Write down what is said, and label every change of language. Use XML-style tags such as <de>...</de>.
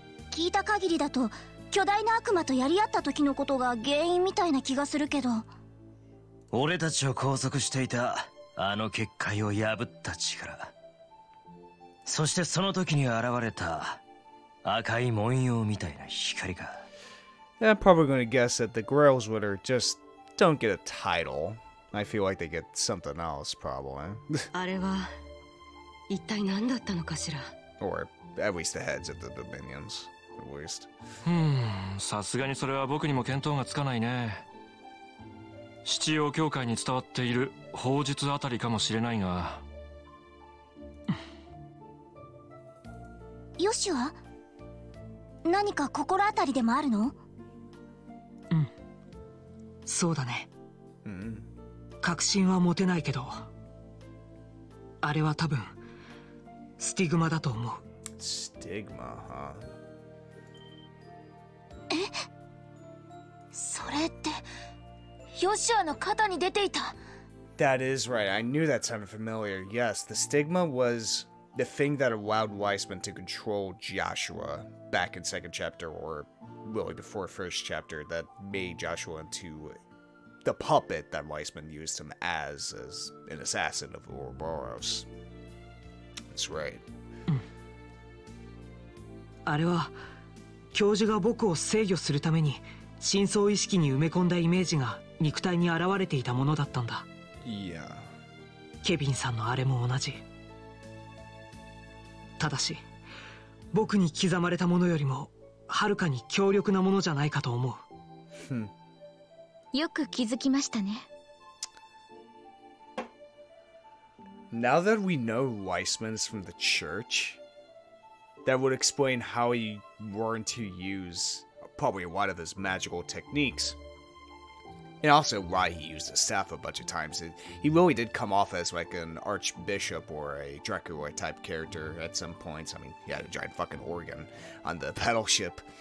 <ja>聞いた限りだと巨大な悪魔とやり合った時のことが原因みたいな気がするけど。俺たちを拘束していたあの結界を破った力、そしてその時に現れた赤い文様みたいな光が。</ja> <en>I'm probably going to guess that the Grail's Witter just don't get a title. I feel like they get something else probably.</en> <ja>あれは一体何だったのかしら。</ja> <en>Or at least the heads of the Dominions.</en> <ja>さすがにそれは僕にも見当がつかないね。七王教会に伝わっている法術あたりかもしれないが。ヨシは何か心当たりでもあるの？うん、そうだね。確信は持てないけど、あれは多分スティグマだと思う。スティグマ、huh? それってヨシュアの肩に出ていた。</ja> <en>That is right. I knew that sounded familiar. Yes, the stigma was the thing that allowed Wiseman to control Joshua back in second chapter, or really before first chapter, that made Joshua into the puppet that Wiseman used him as an assassin of Ouroboros. sounds right.</en> <ja>あれは教授が僕を制御するために深層意識に埋め込んだイメージが肉体に現れていたものだったんだ。いや、ケビンさんのあれも同じ。ただし、僕に刻まれたものよりもはるかに強力なものじゃないかと思う。よく気づきましたね。</ja> <en>Now that we know Weissman's from the church, that would explain how he learned to use probably a lot of his magical techniques, and also why he used the staff a bunch of times. He really did come off as like an archbishop or a Dracula type character at some points. I mean, he had a giant fucking organ on the battleship.</en>